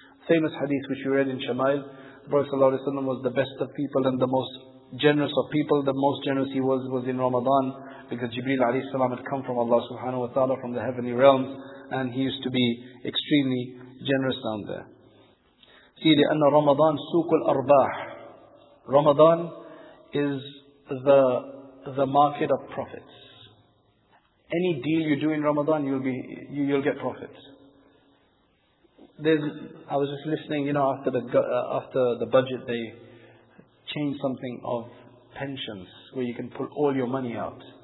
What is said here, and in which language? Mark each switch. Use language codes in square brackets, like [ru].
[en] Famous hadith which you read in Shamail, the Prophet sallallahu alaihi wasallam was the best of people and the most generous of people. The most generous he was in Ramadan, because Jibreel alayhi salam had come from Allah subhanahu wa ta'ala, from the heavenly realms, and he used to be extremely generous down there. [ar] See, لأن Ramadan سوق الأرباح. [en] Ramadan is the market of profits. Any deal you do in Ramadan, you'll get profits. I was just listening, you know, after the budget they changed something of pensions where you can pull all your money out.